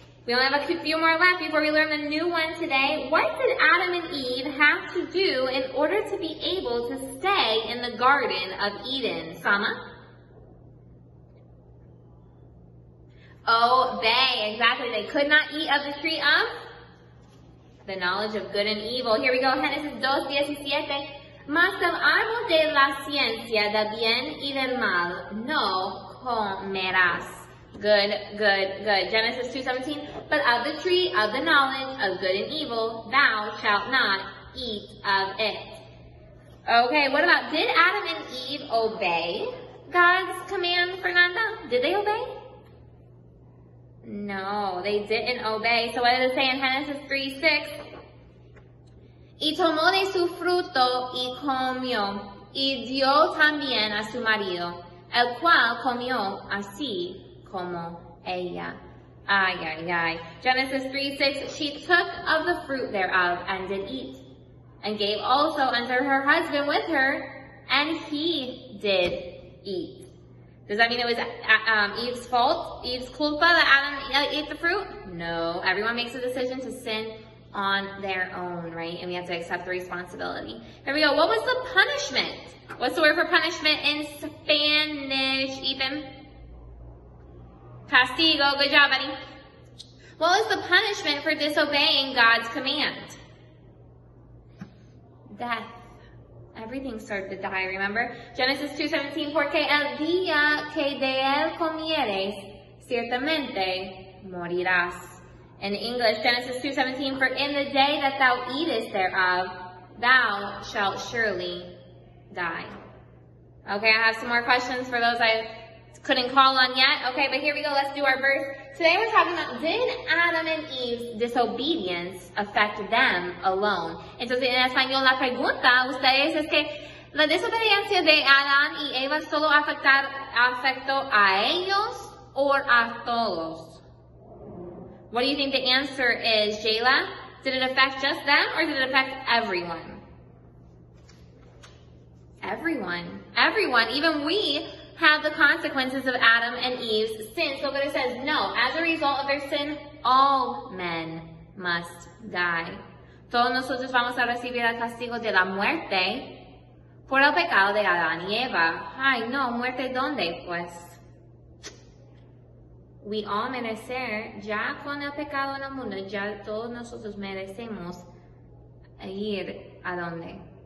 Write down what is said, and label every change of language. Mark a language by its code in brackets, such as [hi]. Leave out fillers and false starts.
[en] We only have a few more left before we learn the new one today. What did Adam and Eve have to do in order to be able to stay in the Garden of Eden? Sama? Obey. Exactly. They could not eat of the tree of the knowledge of good and evil. Here we go. Génesis 2:17. [es] Mas el árbol de la ciencia del bien y del mal no comerás. [en] Good, good, good. Génesis 2:17. But of the tree of the knowledge of good and evil, thou shalt not eat of it. Okay, what about, did Adam and Eve obey God's command, Fernanda? Did they obey? No, they didn't obey. So what did it say in Génesis 3:6? [es] Y tomó de su fruto y comió, y dio también a su marido, el cual comió así como ella. Ay, ay, ay. [en] Génesis 3:6, she took of the fruit thereof and did eat, and gave also unto her husband with her, and he did eat. Does that mean it was Eve's fault, Eve's culpa, that Adam ate the fruit? No, everyone makes a decision to sin on their own, right? And we have to accept the responsibility. Here we go. What was the punishment? What's the word for punishment in Spanish, Ethan? Castigo. Good job, buddy. What was the punishment for disobeying God's command? Death. Everything started to die, remember? [es] Génesis 2:17, porque el día que de él comieres, ciertamente morirás. [en] In English, Génesis 2:17, for in the day that thou eatest thereof, thou shalt surely die. Okay, I have some more questions for those I couldn't call on yet. Okay, but here we go. Let's do our verse. Today we're talking about, did Adam and Eve's disobedience affect them alone? [es] Entonces, en español, la pregunta a ustedes es que, ¿la desobediencia de Adán y Eva solo afectó a ellos o a todos? [en] What do you think the answer is, Jayla? Did it affect just them or did it affect everyone? Everyone. Everyone. Even we have the consequences of Adam and Eve's sin. So, but it says, no, as a result of their sin, all men must die. [es] Todos nosotros vamos a recibir el castigo de la muerte por el pecado de Adán y Eva. Ay, no, muerte dónde, pues. [en] We all [es] merecer, ya con el pecado en el mundo, ya todos nosotros merecemos ir a donde?